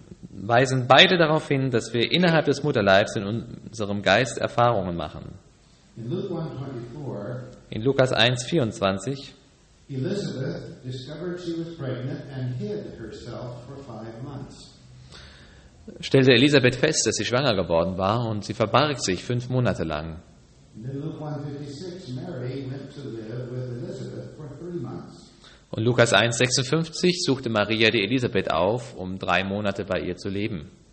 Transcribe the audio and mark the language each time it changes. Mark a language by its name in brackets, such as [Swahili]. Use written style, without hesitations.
[German] weisen beide darauf hin, dass wir innerhalb des Mutterleibs in unserem Geist Erfahrungen machen. In Lukas 1,24 [English] Elizabeth discovered she was pregnant and hid herself for 5 months. [German] Stellte Elisabeth fest, dass sie schwanger geworden war, und sie verbarg sich 5 Monate lang. Und Lukas 1,56 suchte Maria die Elisabeth auf, um 3 Monate bei ihr zu leben.